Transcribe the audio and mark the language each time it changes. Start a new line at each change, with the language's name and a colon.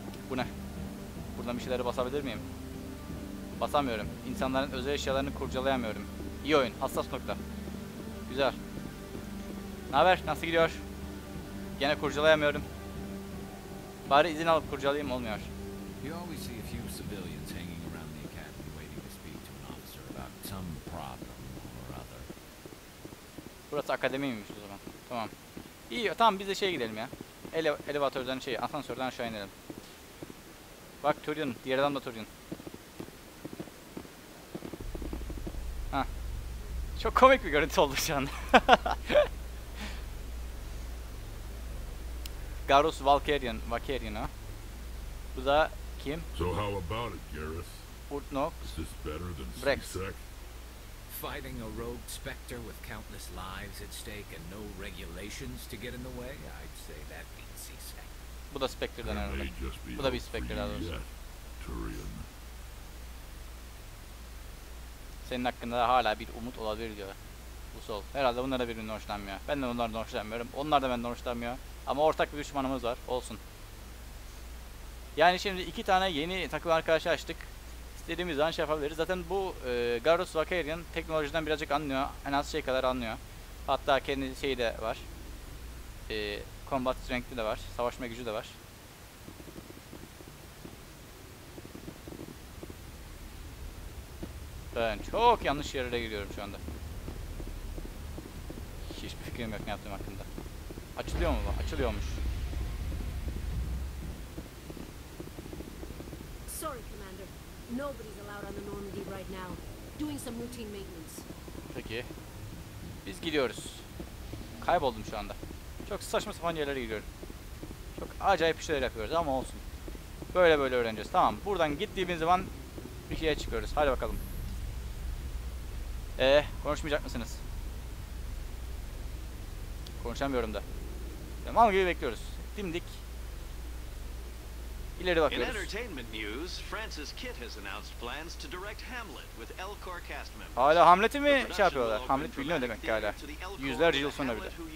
Turkish: Bu ne? Buradan bir şeyleri basabilir miyim? Basamıyorum. İnsanların özel eşyalarını kurcalayamıyorum. İyi oyun. Hassas nokta. Güzel. Naber? Nasıl gidiyor? Gene kurcalayamıyorum. Bari izin alıp kurcalayayım. Olmuyor.
English: You always see a few civilians hanging around the academy waiting to speak to an officer about some problem or other.
Turkish: Burası akademiymiş o zaman. Tamam. İyi. Tamam, biz de şeye gidelim ya. Elevatörden şey, asansörden aşağı inelim. Bak Turion, diğer adam da Turion. Ha. Çok komik bir görüntü oldu şu anda. Garrus Valkyrian, Valkyrian ha. Bu da kim?
English: So how about it, Garrus? Utnok. Is this better than Brex? C-Sec? Fighting a rogue specter with countless lives at stake and no regulations to get in the way, I'd say that means C-Sec.
Turkish: Bu da Spectre'dan herhalde. Bu da bir Spectre'dan herhalde. Senin hakkında da hala bir umut olabilir diyor. Bu sol. Herhalde bunlar da birbirinden hoşlanmıyor. Ben de bunlardan hoşlanmıyorum. Onlar da benden hoşlanmıyor. Ama ortak bir düşmanımız var. Olsun. Yani şimdi iki tane yeni takım arkadaşı açtık. İstediğimiz zaman şey yapabiliriz. Zaten bu Garrus Valkyrian teknolojiden birazcık anlıyor. En az şey kadar anlıyor. Hatta kendi şeyi de var. Combat strength'i de var. Savaşma gücü de var. Ben çok yanlış yere giriyorum şu anda. Hiçbir fikrim yok ne yaptığım hakkında. Açılıyor mu bu? Açılıyormuş.
English: Sorry commander. Nobody's allowed on the Normandy right now. Doing some routine maintenance.
Turkish: Peki. Biz gidiyoruz. Kayboldum şu anda. Çok saçma sapan yerlere gidiyorum. Çok acayip şeyler yapıyoruz ama olsun. Böyle böyle öğreneceğiz. Tamam, buradan gittiğimiz zaman bir şeye çıkıyoruz. Hadi bakalım. Konuşmayacak mısınız? Konuşamıyorum da. Mal gibi bekliyoruz. Dimdik. İleri bakıyoruz.
English: In entertainment news, Francis Kitt has announced plans to direct Hamlet with Elcor cast members.
Turkish: Hala Hamlet'i mi şey yapıyorlar? Hamlet biliniyor demek ki hala. Yüzlerce yıl sonra bir de.